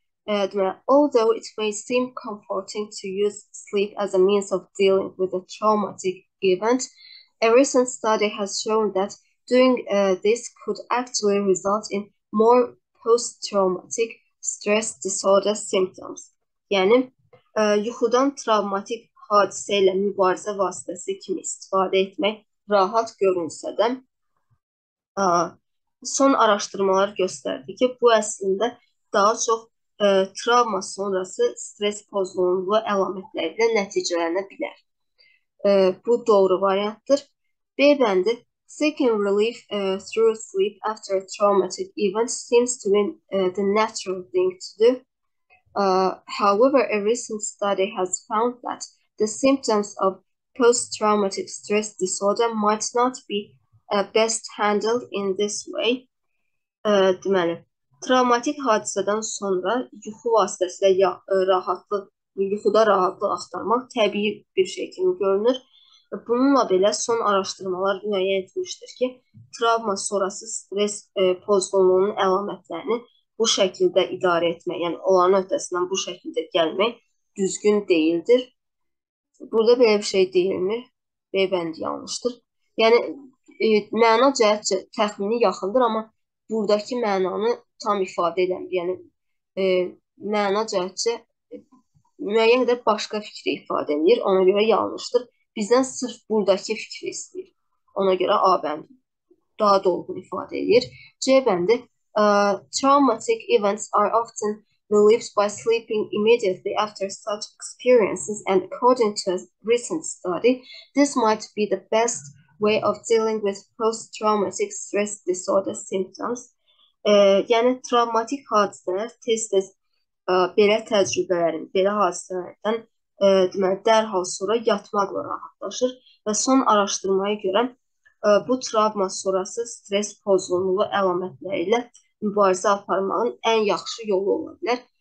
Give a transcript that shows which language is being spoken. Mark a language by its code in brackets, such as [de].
[en] Deməli, although it may seem comforting to use sleep as a means of dealing with a traumatic event, a recent study has shown that doing this could actually result in more post-traumatic stress disorder symptoms. [az] Yəni, yuxudan travmatik hadisə ilə mübarizə vasitəsi kimi istifadə etmək rahat görünsə də, son araşdırmalar göstərdi ki, bu əslində daha çox travma sonrası stres pozulunluğu əlamətləri ilə nəticələnə bilər. Bu doğru variantdır. B bəndi, [en] seeking relief through sleep after a traumatic event seems to be the natural thing to do. However, a recent study has found that the symptoms of post-traumatic stress disorder might not be best handled in this way. [az] Deməli, travmatik hadisədən sonra yuxu vasitəsilə yuxuda rahatlıq axtarmaq təbii bir şəkildə görünür. Bununla belə son araşdırmalar müəyyən etmişdir ki, travma sonrası stres pozğunluğunun əlamətlərini bu şəkildə idarə etmək, yəni onların öhdəsindən bu şəkildə gəlmək düzgün deyildir. Burada belə bir şey deyilmir. B bəndi yanlışdır. Yəni, məna cəhətcə təxmini yaxındır, amma buradakı mənanı tam ifadə edəmir. Yəni, məna cəhətcə müəyyən qədər başqa fikri ifadə edir. Ona görə yanlışdır. Bizdən sırf buradakı fikri istəyir. Ona görə A bəndi daha dolğun ifadə edir. C bəndi. [en] Traumatic events are often relieved by sleeping immediately after such experiences, and according to a recent study, this might be the best way of dealing with post-traumatic stress disorder symptoms. [az] Yəni, travmatik hadisələr tez-tez belə təcrübələrin, belə hadisələrdən deməli, dərhal sonra yatmaqla rahatlaşır və son araşdırmaya görə bu travma sonrası stres pozğunluğu əlamətləri ilə mübarizə aparmağın ən yaxşı yolu ola bilər.